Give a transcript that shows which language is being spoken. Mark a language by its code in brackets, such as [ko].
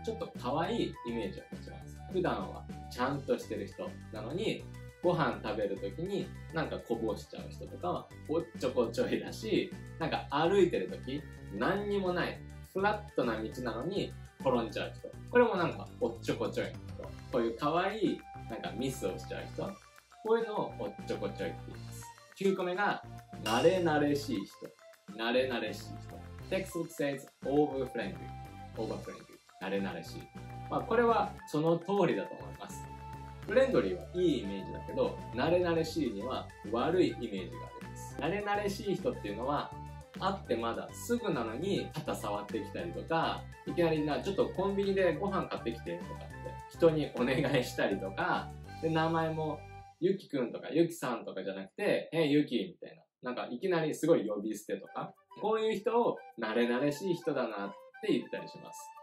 [ja] ちょっと可愛いイメージを持ちます。普段はちゃんとしてる人なのに、ご飯食べるときになんかこぼしちゃう人とかはおっちょこちょいだし、なんか歩いてるとき何にもないフラットな道なのに転んじゃう人、これもなんかおっちょこちょいの人、こういう可愛いなんかミスをしちゃう人、こういうのをおっちょこちょいって言います。 9個目が慣れ慣れしい人、慣れ慣れしい人。 [en] Textbook says over-friendly、 over-friendly、 慣れ慣れしい。 [ja] まあこれはその通りだと思います。フレンドリーはいいイメージだけど、慣れ慣れしいには悪いイメージがあります。慣れ慣れしい人っていうのは、会ってまだすぐなのに肩触ってきたりとか、いきなりな、ちょっとコンビニでご飯買ってきてとかって人にお願いしたりとか、で、名前もゆきくんとかゆきさんとかじゃなくて、え、ゆきみたいな、なんかいきなりすごい呼び捨てとか、こういう人を慣れ慣れしい人だなって言ったりします。